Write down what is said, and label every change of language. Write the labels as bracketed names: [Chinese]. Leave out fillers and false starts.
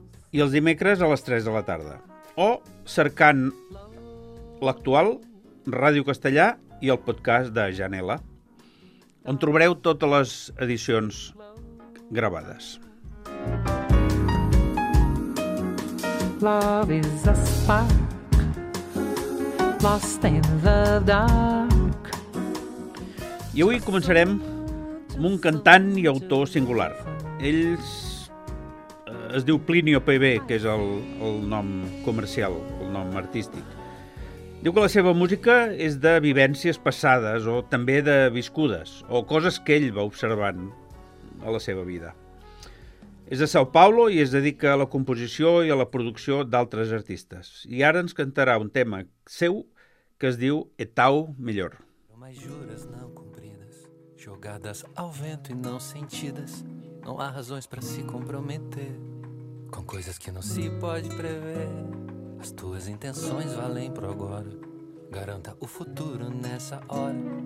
[Catalan] I els dimecres a les 3 de la tarda. O cercant l'actual, Ràdio Castellà i el podcast de Janela, on trobareu totes les edicions gravades. [English] Love is a spark, lost in the dark. [Catalan] I avui començarem amb un cantant i autor singular. Ells es diu Plinio PB, que és el nom comercial, el nom artístic. Diu que la seva música és de vivències passades o també de viscudes, o coses que ell va observant a la seva vida. És de São Paulo i es dedica a la composició i a la producció d'altres artistes. I ara ens cantarà un tema seu que es diu Etau Melhor. [Portuguese] No mais juras não cumpridas, jogadas ao vento e não sentidas. Não há razões para se comprometer com coisas que não se pode prever. As tuas intenções valem pro agora. Garanta o futuro nessa hora.